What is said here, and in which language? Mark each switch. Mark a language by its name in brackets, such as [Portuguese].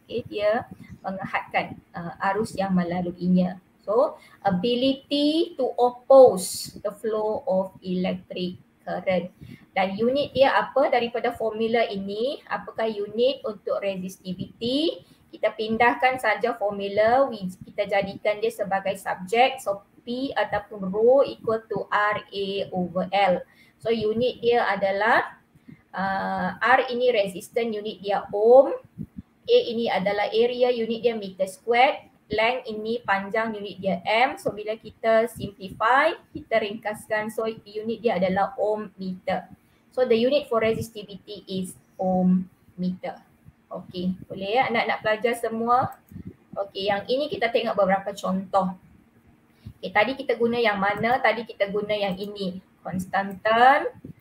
[Malay] Okay, dia menghadkan arus yang melaluinya. [English] So ability to oppose the flow of electric current. [Malay] Dan unit dia apa daripada formula ini? Apakah unit untuk resistivity? Kita pindahkan saja formula, kita jadikan dia sebagai subjek. [English] So P ataupun rho equal to RA over L. [Malay] So unit dia adalah R ini resistance, unit dia ohm. A ini adalah area, unit dia meter squared. Length ini panjang, unit dia M. So bila kita simplify, kita ringkaskan, so unit dia adalah ohm meter. [English] So the unit for resistivity is ohm meter. [Malay] Okay, boleh ya anak-anak pelajar semua? Okay, yang ini kita tengok beberapa contoh. Okay, tadi kita guna yang mana? Tadi kita guna yang ini, konstantan.